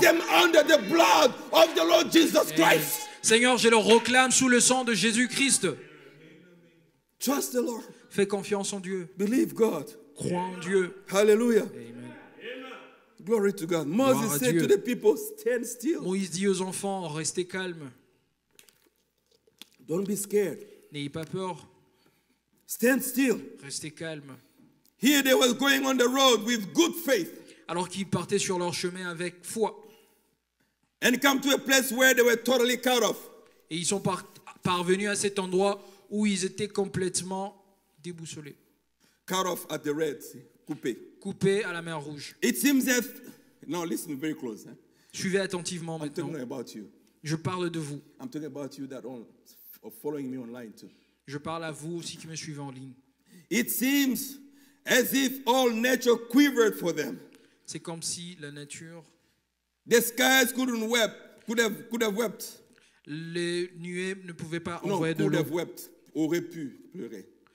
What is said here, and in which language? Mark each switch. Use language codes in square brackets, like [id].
[en] Them under the blood of the Lord Jesus Christ. [fr] Seigneur, je le réclame sous le sang de Jésus-Christ. [en] Trust the Lord. [fr] Fais confiance en Dieu. [en] Believe God. [fr] Crois en Dieu. [en] Hallelujah. [fr] Amen. [en] Glory to God. Moses said to the people, stand still. [fr] Moïse dit aux enfants, restez calmes. [en] Don't be scared. [fr] N'ayez pas peur. [en] Stand still. [fr] Restez calme. [en] Here they were going on the road with good faith. [fr] Alors qu'ils partaient sur leur chemin avec foi. [en] And come to a place where they were totally cut off. [fr] Et ils sont parvenus à cet endroit où ils étaient complètement déboussolés. [en] Cut off at the Red Sea. Coupés. [fr] Coupés à la mer Rouge. [en] It seems that. Now listen very close. Hein? [fr] Suivez attentivement [en] I'm [fr] maintenant. [en] I'm talking about you. [fr] Je parle de vous. [en] I'm talking about you that are following me online too. [fr] Je parle à vous aussi qui me suivez en ligne. [en] It seems as if all nature quivered for them. [fr] C'est comme si la nature. [en] The skies couldn't weep. Could have wept. [fr] Les nuées ne pouvaient pas envoyer non, de l'eau. Wept, aurait pu pleurer.